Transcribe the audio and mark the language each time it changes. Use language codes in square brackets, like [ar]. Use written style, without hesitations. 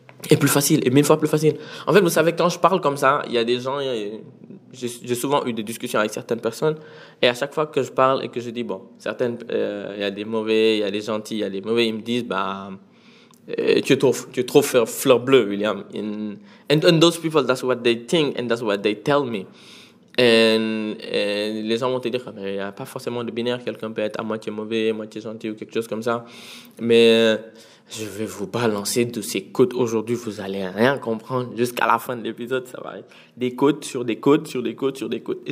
[fr] Et plus facile, et mille fois plus facile. En fait, vous savez, quand je parle comme ça, il y a des gens, j'ai souvent eu des discussions avec certaines personnes, et à chaque fois que je parle et que je dis, bon, certaines, il y a des mauvais, il y a des gentils, il y a des mauvais, ils me disent, tu es trop fleur bleue, William. [en] And those people, that's what they think and that's what they tell me. [fr] Et les gens vont te dire, mais il n'y a pas forcément de binaire, quelqu'un peut être à moitié mauvais, à moitié gentil ou quelque chose comme ça. Mais je vais vous balancer de ces côtes aujourd'hui, vous n'allez rien comprendre jusqu'à la fin de l'épisode, ça va être des côtes sur des côtes sur des côtes sur des côtes.